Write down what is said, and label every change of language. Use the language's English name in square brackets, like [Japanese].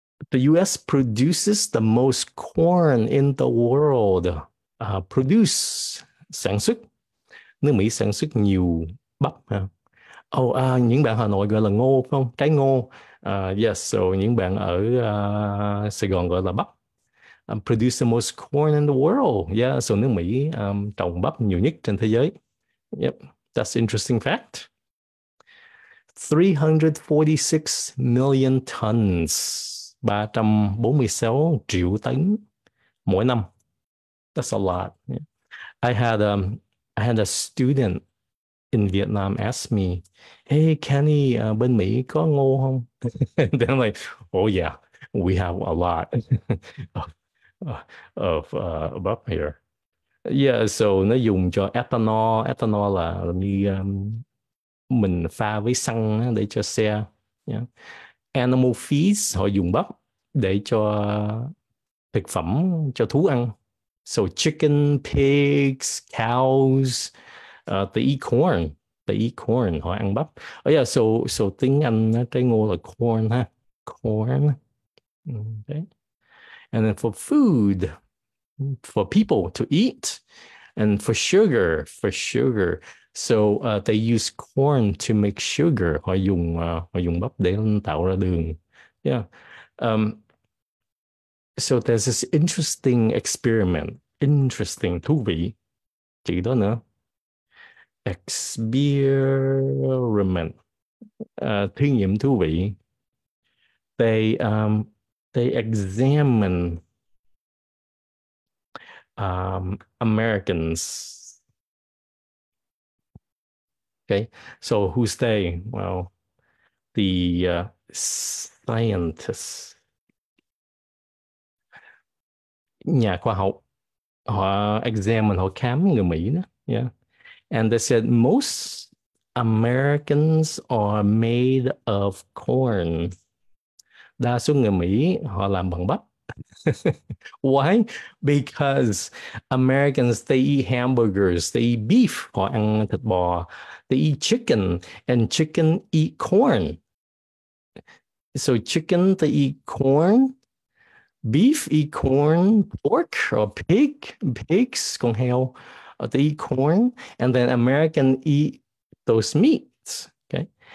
[English] The US produces the most corn in the world. Produce. [Vietnamese] sản xuất, nước Mỹ sản xuất nhiều bắp ha. Những bạn Hà Nội gọi là ngô phải không? Trái ngô. So những bạn ở Sài Gòn gọi là bắp. [English] Produce the most corn in the world. [Vietnamese] So nước Mỹ trồng bắp nhiều nhất trên thế giới. [English] That's interesting fact. 346 million tons. [Vietnamese] 346 triệu tấn mỗi năm. [English] That's a lot. I had a student in Vietnam asked me, "Hey Kenny, [Vietnamese] bên Mỹ có ngô không?" [English] And I'm like, "Oh yeah, we have a lot of bắp here." [Vietnamese] Yeah, so nó dùng cho ethanol. Ethanol là như mình pha với xăng để cho xe. Yeah. [English] Animal feeds, [Vietnamese] họ dùng bắp để cho thực phẩm cho thú ăn. [English] So chicken, pigs, cows, they eat corn, [Vietnamese] họ ăn bắp. Oh yeah, so tiếng Anh trái ngô là corn ha, corn. [English] Okay. And then for food, for people to eat, and for sugar, so they use corn to make sugar. [Vietnamese] Họ dùng bắp để tạo ra đường. [English] Yeah. So there's this interesting experiment. Interesting, thú vị. [Vietnamese] Chữ đó nữa. Experiment. Thí nghiệm thú vị. [English] They examine Americans. Okay, so who's they? Well, the scientists. [Vietnamese] Nhà khoa học. Họ examine, họ khám người Mỹ đó. [English] Yeah. And they said most Americans are made of corn. [Vietnamese] Đa số người Mỹ họ làm bằng bắp. [English] Why? Because Americans, they eat hamburgers, they eat beef, [Vietnamese] họ ăn thịt bò, [English] they eat chicken, and chicken eat corn. So chicken, they eat corn, beef eat corn, pork or pigs, [Vietnamese] con heo, [English] they eat corn, and then American eat those meats, okay?